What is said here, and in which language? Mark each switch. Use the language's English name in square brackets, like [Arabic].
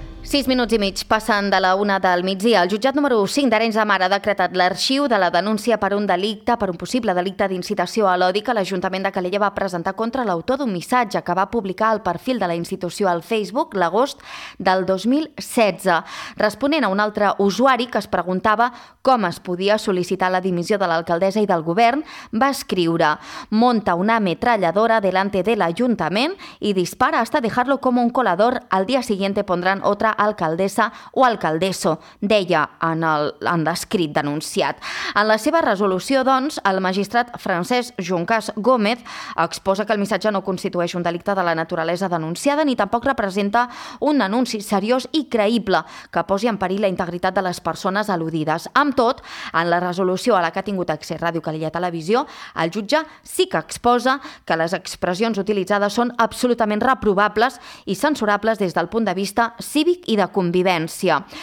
[Catalan] Sis minuts i mig passen de la una del migdia. El jutjat número 5 d'Arenys de Mar ha decretat l'arxiu de la denúncia per un possible delicte d'incitació a l'odi que l'Ajuntament de Calella va presentar contra l'autor d'un missatge que va publicar al perfil de la institució al Facebook l'agost del 2016, responent a un altre usuari que es preguntava com es podia sol·licitar la dimissió de l'alcaldessa i del govern. [Spanish] Va escriure: "Monta una ametralladora delante del ayuntamiento y dispara hasta dejarlo como un colador. Al día siguiente pondrán otra alcaldessa o alcaldesso", [Catalan] deia en l'escrit denunciat. En la seva resolució, doncs, el magistrat Francesc Juncàs Gómez exposa que el missatge no constitueix un delicte de la naturalesa denunciada ni tampoc representa un anunci seriós i creïble que posi en perill la integritat de les persones al·ludides. Amb tot, en la resolució a la que ha tingut accés Ràdio Calella Televisió, el jutge sí que exposa que les expressions utilitzades són absolutament reprovables i censurables des del punt de vista cívic i de convivència.